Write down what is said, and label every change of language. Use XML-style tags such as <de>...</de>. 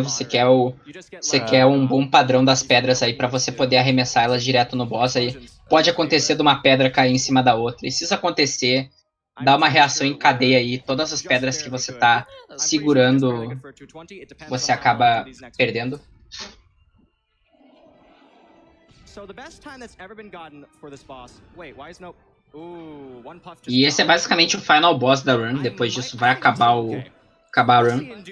<pt>Você quer um bom padrão das pedras aí pra você poder arremessar elas direto no boss aí. Pode acontecer de uma pedra cair em cima da outra. E se isso acontecer, dá uma reação em cadeia aí. Todas as pedras que você tá segurando, você acaba perdendo.</pt> <en>So the best time that's ever been gotten for this boss. Wait, why is no. Ooh, one puff.</en> <pt>E esse é basicamente o final boss da run. Depois disso vai acabar a run.</pt>